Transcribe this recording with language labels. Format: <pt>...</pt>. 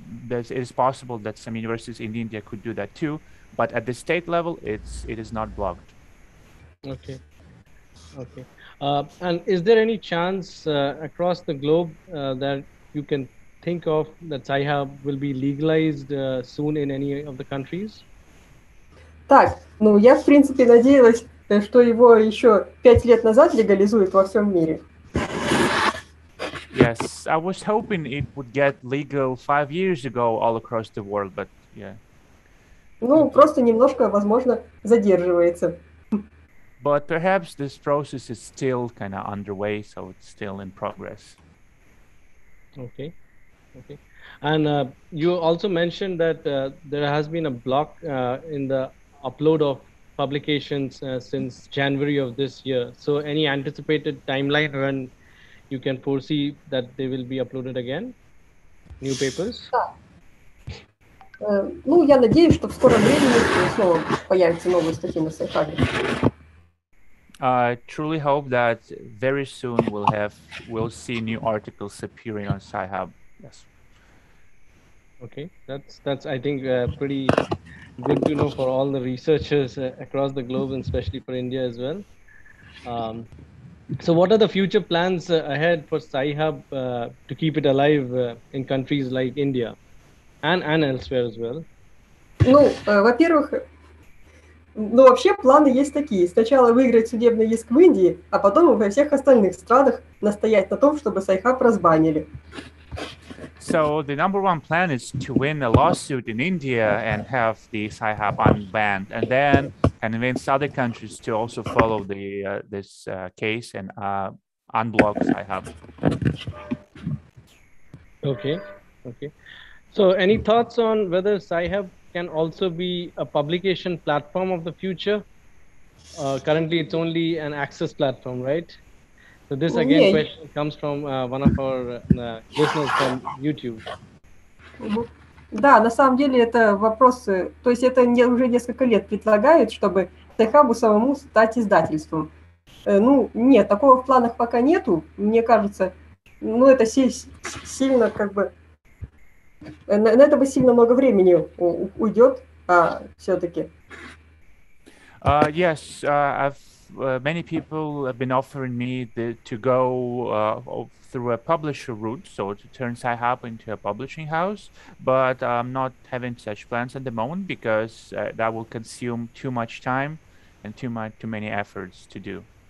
<en>It is possible that some universities in India could do that too, but at the state level, it is not blocked. Okay. And is there any chance across the globe that you can think of that Sci-Hub will be legalized soon in any of the countries?</en> <ru>Так, ну я в принципе надеялась, что его еще 5 лет назад легализуют во всем мире.</ru> <en>Yes, I was hoping it would get legal 5 years ago all across the world, but yeah.</en> <ru>Ну просто немножко, возможно, задерживается.</ru> <en>But perhaps this process is still kind of underway, so it's still in progress. Okay. And you also mentioned that there has been a block in the upload of publications since January of this year. So any anticipated timeline when you can foresee that they will be uploaded again? New papers?</en> <ru>Ну, я надеюсь, что в скором времени снова появятся новые статьи на Sci-Hub.</ru> <en>I truly hope that very soon we'll see new articles appearing on Sci-Hub. Yes. Okay, that's I think pretty good to know for all the researchers across the globe and especially for India as well. So what are the future plans ahead for Sci-Hub to keep it alive in countries like India and elsewhere as well?</en> <ru>Ну, во-первых, ну, вообще, планы есть такие. Сначала выиграть судебный иск в Индии, а потом во всех остальных странах настоять на том, чтобы Sci-Hub разбанили.</ru> <en>So, the number one plan is to win a lawsuit in India and have the Sci-Hub unbanned, and then convince other countries to also follow this case and unblock Sci-Hub. Okay. So, any thoughts on whether Sci-Hub can also be a publication platform of the future? Currently, it's only an access platform, right? So this, again, question comes from one of our listeners from YouTube.</en> <ru>Да, на самом деле это вопрос, то есть это уже несколько лет предлагают, чтобы Sci-Hub самому стать издательством. Ну, нет, такого в планах пока нету, мне кажется. Ну, это сильно как бы... На это бы сильно много времени уйдет, а все-таки.</ru> <en>Yes, many people have been offering me to go through a publisher route, so to turn Sci-Hub into a publishing house, but I'm not having such plans at the moment because that will consume too much time and too many efforts to do.</en>